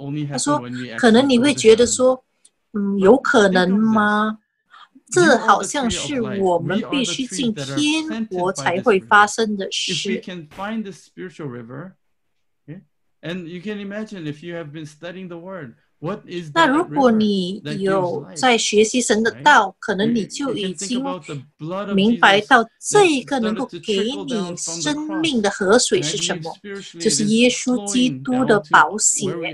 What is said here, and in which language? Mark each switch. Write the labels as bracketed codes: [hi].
[zh] 他说：“可能你会觉得说，有可能吗？这好像是我们必须进天国才会发生的事。 [en] If we can find the spiritual river, and you can imagine if you have been studying the word, what is that river that gives life? [zh] 那如果你有在学习神的道，可能你就已经明白到这一个能够给你生命的河水是什么，就是耶稣基督的宝血。